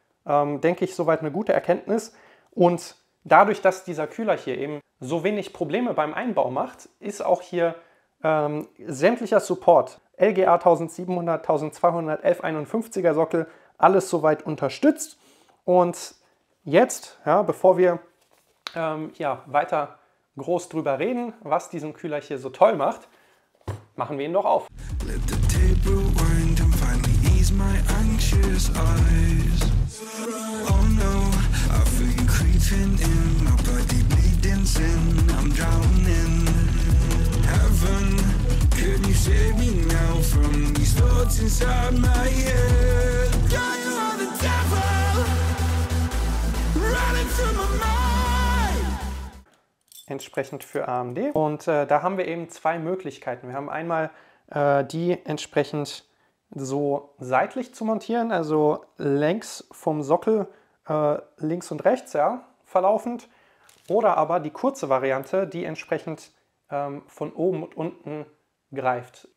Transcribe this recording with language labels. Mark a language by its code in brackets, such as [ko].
[de] Denke ich, soweit eine gute Erkenntnis. Und dadurch, dass dieser Kühler hier eben so wenig Probleme beim Einbau macht, ist auch hier sämtlicher Support, LGA 1700, 1200, 1151er Sockel, alles soweit unterstützt. Und jetzt, ja, bevor wir weiter groß drüber reden, was diesen Kühler hier so toll macht, machen wir ihn doch auf. [en] Let the table wind and finally ease my anxious eyes. Oh no, I feel you creeping in, my body bleeding sin, I'm drowning. Heaven, can you save me now from these thoughts inside my head? Girl, you are the devil, running through my mind. [de] Entsprechend für AMD. Und da haben wir eben zwei Möglichkeiten. Wir haben einmal die entsprechend so seitlich zu montieren, also längs vom Sockel links und rechts, ja, verlaufend. Oder aber die kurze Variante, die entsprechend von oben und unten greift.